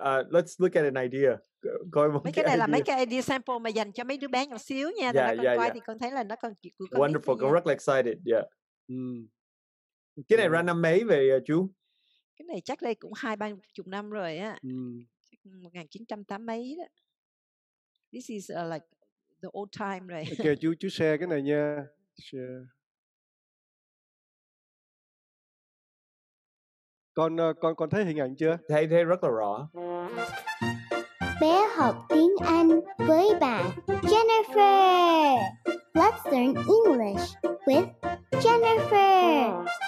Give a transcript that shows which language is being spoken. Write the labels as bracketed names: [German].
[English] let's look at an idea. [Vietnamese] Coi một mấy cái này [English] idea. [Vietnamese] Là mấy cái idea sample mà dành cho mấy đứa bé nhỏ xíu nha. Thành ra con coi thì con thấy là nó còn chịu. Wonderful, con rất là excited. Cái này random mấy về chú? Cái này chắc đây cũng 20-30 năm rồi á. 1980 mấy đó. [English] This is like the old time, right? [Vietnamese] Ok, chú share cái này nha. Share. Con thấy hình ảnh chưa? Thấy rất là rõ. Bé học tiếng Anh với bạn Jennifer. [English] Let's learn English with Jennifer.